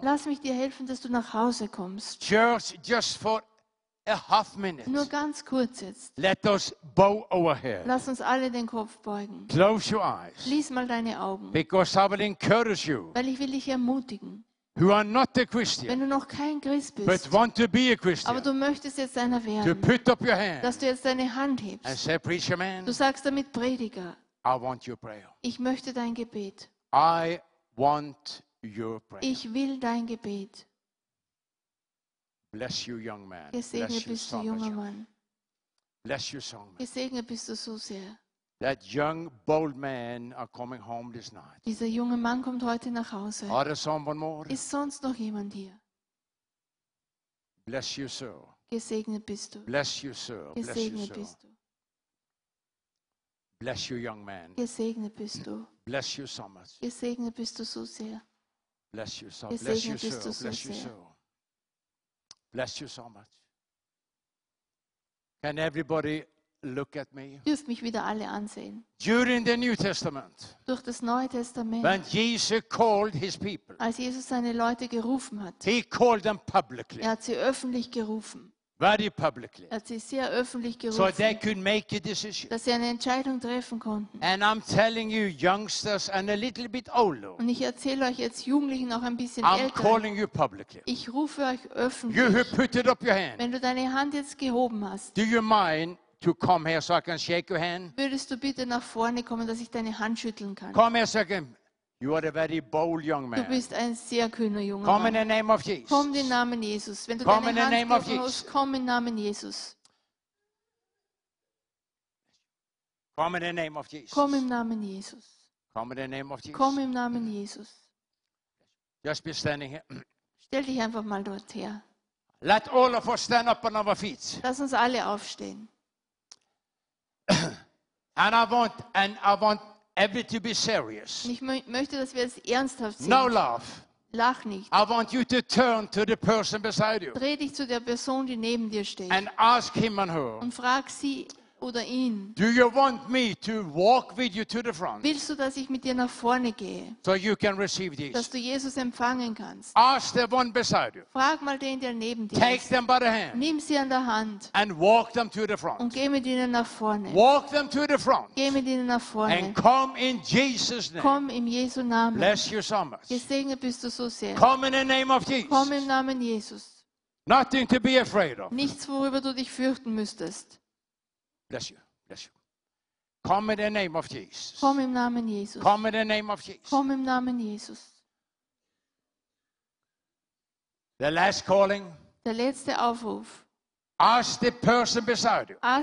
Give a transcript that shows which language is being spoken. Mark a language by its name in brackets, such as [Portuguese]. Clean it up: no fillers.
[German] Lass mich dir helfen, dass du nach Hause kommst. [English] Church, just for a half minute. [German] Nur ganz kurz jetzt. [English] Let us bow our head. [German] Lass uns alle den Kopf beugen. [English] Close your eyes. [German] Schließ mal deine Augen. [English] Because I will encourage you. [German] Weil ich will dich ermutigen. [English] Who are not a Christian, [German] wenn du noch kein Christ bist, [English] but want to be a Christian, [German] aber du möchtest jetzt einer werden, [English] to put up your hand, [German] dass du jetzt deine Hand hebst. [English] And say, preacher man, [German] du sagst damit, Prediger, [English] I want your prayer. [German] Ich möchte dein Gebet. [English] I want your prayer. [German] Ich will dein Gebet. [English] Bless you, young man. [German] Gesegnet bist du, junger Mann. [English] Bless you, son. [German] Gesegnet bist du so sehr. [English] That young bold man are coming home this night. [German] Dieser junge Mann kommt heute nach Hause. [English] Are there someone more? [German] Ist sonst noch jemand hier? [English] Bless you, sir. [German] Gesegnet bist du. [English] Bless you, sir. [German] Gesegnet bist du. [English] Bless you, young man. [German] Gesegnet bist du. [English] Bless you so much. [German] Gesegnet bist du so sehr. [English] Bless you, sir. Bless you, sir. Bless you, sir. Bless you so much. Can everybody look at me. [German] Dürft mich wieder alle ansehen. [English] During the New Testament. [German] Durch das Neue Testament. [English] When Jesus called his people. [German] Als Jesus seine Leute gerufen hat. [English] He called them publicly. [German] Er hat sie öffentlich gerufen. [English] Very publicly. [German] Er hat sie sehr öffentlich gerufen. [English] So they could make a decision. [German] Dass sie eine Entscheidung treffen konnten. [English] And I'm telling you youngsters and a little bit older. [German] Und ich erzähle euch jetzt Jugendlichen auch ein bisschen [English] I'm [German] älter. [English] I'm calling you publicly. [German] Ich rufe euch öffentlich. [English] You who put it up your hand. [German] Wenn du deine Hand jetzt gehoben hast. [English] Do you mind to come here so I can shake your hand? [German] Würdest du bitte nach vorne kommen, dass ich deine Hand schütteln kann? [English] Come here so I can. You are a very bold young man. [German] Du bist ein sehr kühner junger [English] come [German] Mann. [English] In the name of Jesus. [German] Komm in den Namen Jesus. Wenn du [English] come [German] deine Hand gehoben hast, komm in den Namen Jesus. [English] Come in the name of Jesus. [German] Komm im Namen Jesus. [English] Come in the name of Jesus. [German] Komm im Namen Jesus. [English] Just be standing here. [German] Stell dich einfach mal dort her. [English] Let all of us stand up on our feet. [German] Lass uns alle aufstehen. [English] And I want everything to be serious. [German] Ich möchte, dass wir es ernsthaft sehen. [English] No laugh. [German] Lach nicht. [English] I want you to turn to the person beside you. [German] Dreh dich zu der Person, die neben dir steht. [English] And ask him and her. [German] Und frag sie oder ihn? [English] Do you want me to walk with you to the front? [German] Willst du, dass ich mit dir nach vorne gehe? [English] So you can receive this. [German] Dass du Jesus empfangen kannst. [English] Ask the one beside you. [German] Frag mal den, der neben dir. [English] Take them by the hand. [German] Nimm sie an der Hand. [English] And walk them to the front. [German] Und geh mit ihnen nach vorne. [English] Walk them to the front. [German] Geh mit ihnen nach vorne. [English] And come in Jesus' name. [German] Komm im Jesu Namen. [English] Bless you so much. [German] Gesegnet bist du so sehr. [English] Come in the name of Jesus. [German] Komm im Namen Jesus. [English] Nothing to be afraid of. [German] Nichts, worüber du dich fürchten müsstest. [English] Bless you. Bless you. Come in the name of Jesus. [German] Komm im Namen Jesus. [English] Come in the name of Jesus. [German] Komm im Namen Jesus. [English] The last calling. [German] Der letzte Aufruf. [English] Ask the person beside you.